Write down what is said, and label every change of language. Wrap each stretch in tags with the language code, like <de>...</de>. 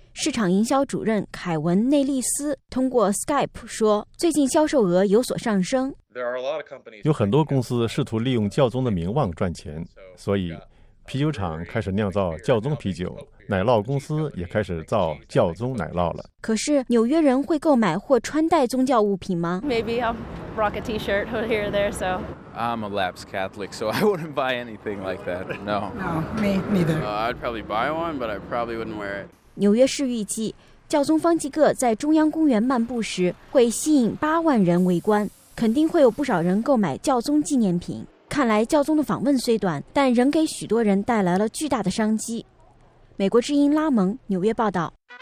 <zh>市场营销主任凯文·内利斯通过 Skype 说，最近销售额有所上升。有很多公司试图利用教宗的名望赚钱，所以啤酒厂开始酿造教宗啤酒，奶酪公司也开始造教宗奶酪了。可是纽约人会购买或穿戴宗教物品吗？</zh> <en>Maybe I'll rock a t-shirt here or there, so... I'm a lapsed Catholic, so I wouldn't buy anything like that, no. No, me neither. I'd probably buy one, but I probably wouldn't wear it.</en> <zh>纽约市预计，教宗方济各在中央公园漫步时会吸引80,000人围观，肯定会有不少人购买教宗纪念品。看来教宗的访问虽短，但仍给许多人带来了巨大的商机。美国之音拉蒙，纽约报道。</zh>